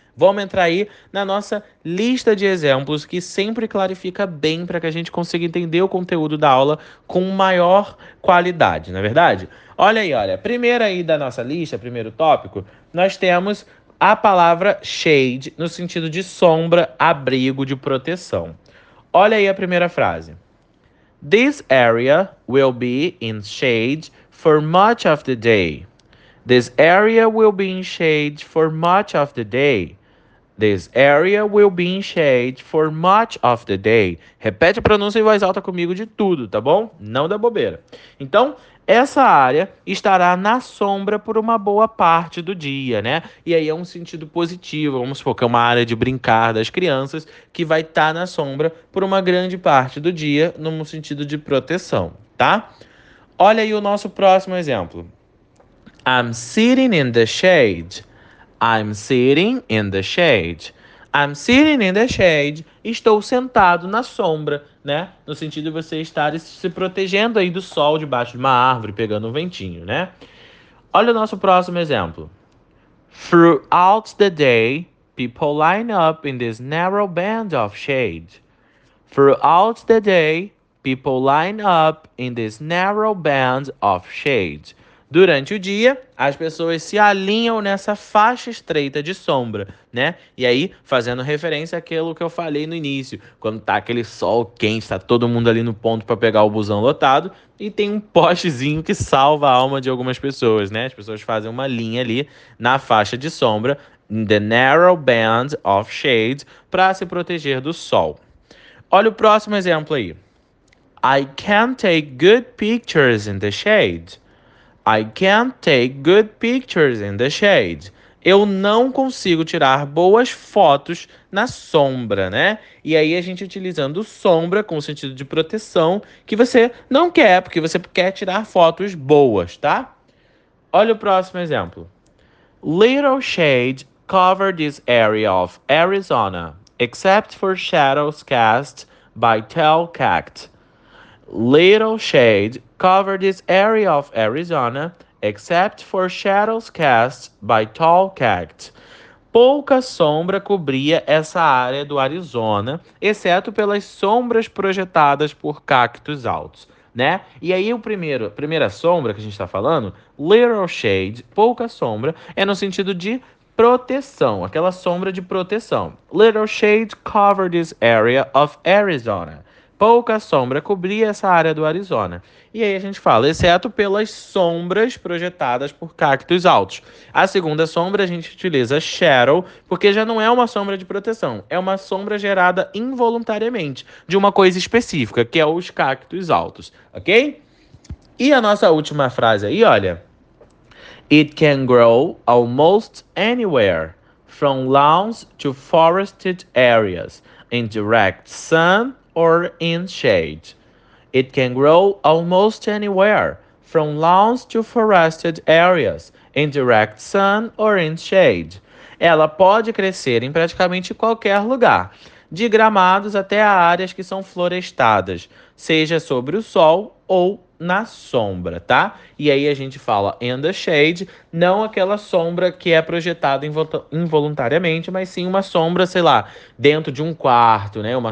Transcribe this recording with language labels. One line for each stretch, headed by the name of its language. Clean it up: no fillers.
Portuguese: Vamos entrar aí na nossa lista de exemplos que sempre clarifica bem para que a gente consiga entender o conteúdo da aula com maior qualidade, não é verdade? Olha aí, olha. Primeiro aí da nossa lista, primeiro tópico, nós temos a palavra shade no sentido de sombra, abrigo, de proteção. Olha aí a primeira frase.
English: This area will be in shade for much of the day. This area will be in shade for much of the day. This area will be in shade for much of the day.
Portuguese: Repete a pronúncia em voz alta comigo de tudo, tá bom? Não dá bobeira. Então, essa área estará na sombra por uma boa parte do dia, né? E aí é um sentido positivo, vamos supor que é uma área de brincar das crianças que vai estar na sombra por uma grande parte do dia, num sentido de proteção, tá? Olha aí o nosso próximo exemplo.
English: I'm sitting in the shade. I'm sitting in the shade. I'm sitting in the shade.
Portuguese: Estou sentado na sombra, né? No sentido de você estar se protegendo aí do sol debaixo de uma árvore, pegando um ventinho, né? Olha o nosso próximo exemplo.
English: Throughout the day, people line up in this narrow band of shade. Throughout the day, people line up in this narrow band of shade.
Portuguese: Durante o dia, as pessoas se alinham nessa faixa estreita de sombra, né? E aí, fazendo referência àquilo que eu falei no início, quando tá aquele sol quente, tá todo mundo ali no ponto para pegar o busão lotado, e tem um postezinho que salva a alma de algumas pessoas, né? As pessoas fazem uma linha ali na faixa de sombra,
English: in the narrow band of shade,
Portuguese: para se proteger do sol. Olha o próximo exemplo aí.
English: I can't take good pictures in the shade. I can't take good pictures in the shade.
Portuguese: Eu não consigo tirar boas fotos na sombra, né? E aí a gente utilizando sombra com sentido de proteção que você não quer, porque você quer tirar fotos boas, tá? Olha o próximo exemplo.
English: Little shade cover this area of Arizona, except for shadows cast by tall cacti. Little shade cover this area of Arizona, except for shadows cast by tall cacti.
Portuguese: Pouca sombra cobria essa área do Arizona, exceto pelas sombras projetadas por cactos altos, né? E aí a primeira sombra que a gente está falando,
English: little shade,
Portuguese: pouca sombra, é no sentido de proteção, aquela sombra de proteção.
English: Little shade cover this area of Arizona.
Portuguese: Pouca sombra cobria essa área do Arizona. E aí a gente fala, exceto pelas sombras projetadas por cactos altos. A segunda sombra a gente utiliza shadow, porque já não é uma sombra de proteção, é uma sombra gerada involuntariamente de uma coisa específica, que é os cactos altos, ok? E a nossa última frase aí, olha.
English: It can grow almost anywhere, from lawns to forested areas, in direct sun or in shade. It can grow almost anywhere, from lawns to forested areas, in direct sun or in shade.
Portuguese: Ela pode crescer em praticamente qualquer lugar, de gramados até a áreas que são florestadas, seja sobre o sol ou na sombra, tá? E aí a gente fala
English: in the shade,
Portuguese: não aquela sombra que é projetada involuntariamente, mas sim uma sombra, sei lá, dentro de um quarto, né?